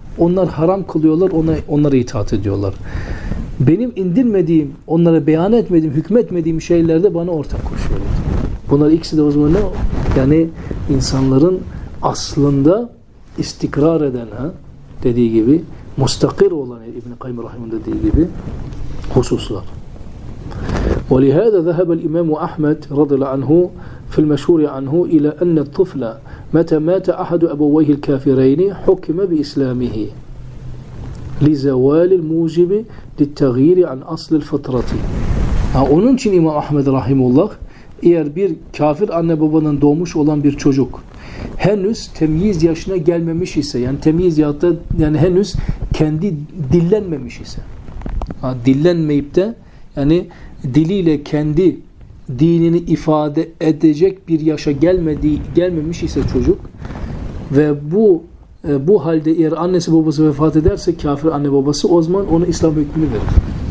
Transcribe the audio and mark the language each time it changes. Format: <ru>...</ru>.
<tr>Onlar haram kılıyorlar. Onlara itaat ediyorlar. Benim indirmediğim, onlara beyan etmediğim, hükmetmediğim şeylerde bana ortak koşuyorlar. Bunlar ikisi de o zaman ne? Yani insanların aslında istikrar eden ha, dediği gibi, müstakir olan İbn-i Kayyim Rahim'in dediği gibi hususlar.</tr> <ar>ولهذا ذهب الإمام أحمد رضي الله عنه في المشهور عنه إلى أن الطفل متى مات أحد أبويه الكافرين حكم بإسلامه لزوال الموجب للتغيير عن أصل الفطرة.</ar> <tr>Onun için İmam Ahmed rahimullah eğer bir kafir anne babadan doğmuş olan bir çocuk henüz temyiz yaşına gelmemiş ise yani temyiz yahut da yani henüz kendi dillenmemiş ise dillenmeyip de yani diliyle kendi dinini ifade edecek bir yaşa gelmemiş ise çocuk ve bu halde eğer annesi babası vefat ederse kafir anne babası o zaman ona İslam hükmünü verir.</tr>